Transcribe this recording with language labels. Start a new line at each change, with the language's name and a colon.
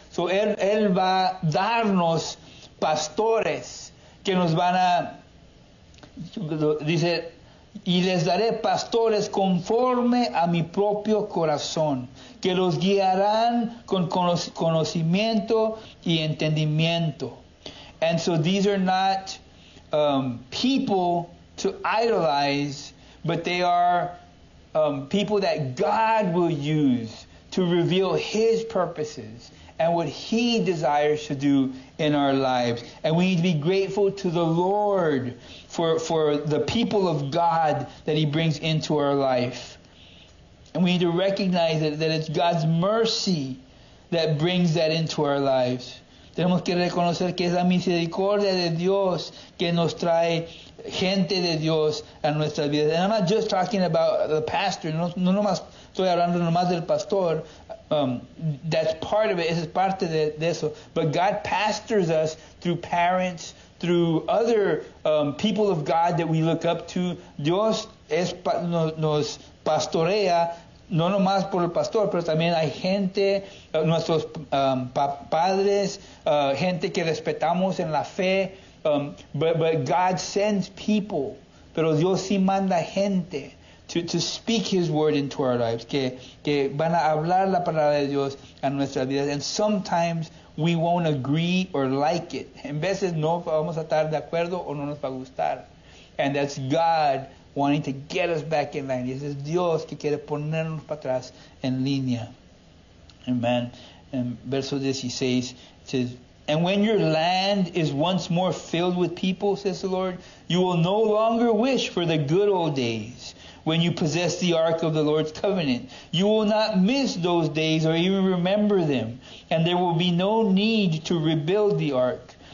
Spanish: So él va a darnos pastores que nos van a, dice, y les daré pastores conforme a mi propio corazón, que los guiarán con conocimiento y entendimiento.
English: And so these are not people to idolize, but they are people that God will use to reveal His purposes and what He desires to do in our lives. And we need to be grateful to the Lord for the people of God that He brings into our life. And we need to recognize that it's God's mercy that brings that into our lives.
Spanish: Tenemos que reconocer que es la misericordia de Dios que nos trae gente de Dios a nuestras vidas.
English: And I'm not just talking about the pastor.
Spanish: No, estoy hablando nomás del pastor.
English: That's part of it.
Spanish: Es parte de eso.
English: But God pastors us through parents, through other people of God that we look up to.
Spanish: Dios es nos pastorea. No nomás por el pastor, pero también hay gente, nuestros padres, gente que respetamos en la fe.
English: But God sends people,
Spanish: pero Dios sí manda gente
English: to speak His word into our lives,
Spanish: que van a hablar la palabra de Dios en nuestras vidas.
English: And sometimes we won't agree or like it.
Spanish: En veces no vamos a estar de acuerdo o no nos va a gustar.
English: And that's God wanting to get us back in line.
Spanish: Y ese es Dios que quiere ponernos para atrás en línea.
English: Amen.
Spanish: En verso 16,
English: it says, and when your land is once more filled with people, says the Lord, you will no longer wish for the good old days when you possess the ark of the Lord's covenant. You will not miss those days or even remember them, and there will be no need to rebuild the ark.